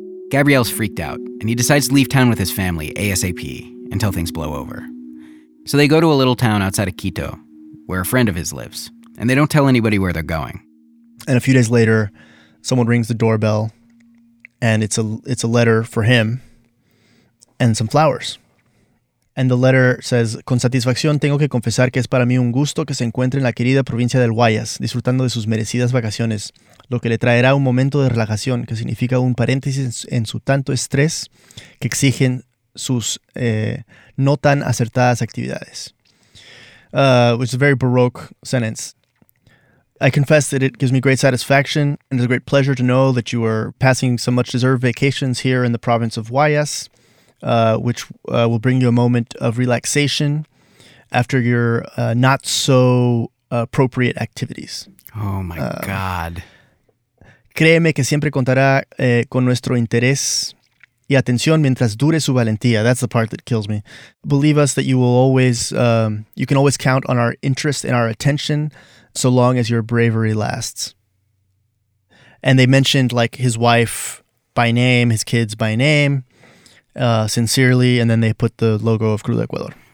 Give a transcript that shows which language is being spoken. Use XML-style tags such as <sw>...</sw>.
<en>Gabriel's freaked out, and he decides to leave town with his family, ASAP, until things blow over. So they go to a little town outside of Quito, where a friend of his lives, and they don't tell anybody where they're going. And a few days later, someone rings the doorbell, and it's a letter for him, and some flowers. And the letter says,</en> <es>con satisfacción tengo que confesar que es para mí un gusto que se encuentre en la querida provincia del Guayas, disfrutando de sus merecidas vacaciones, lo que le traerá un momento de relajación, que significa un paréntesis en su tanto estrés que exigen sus no tan acertadas actividades.</es> <en>Which is a very baroque sentence. I confess that it gives me great satisfaction and is a great pleasure to know that you are passing some much deserved vacations here in the province of Guayas, which will bring you a moment of relaxation after your not so appropriate activities. Oh my God.</en> <es>Créeme que siempre contará con nuestro interés y atención mientras dure su valentía.</es> <en>That's the part that kills me. Believe us that you will always, you can always count on our interest and our attention so long as your bravery lasts. And they mentioned like his wife by name, his kids by name, sincerely, and then they put the logo of Cruz de Ecuador.</en>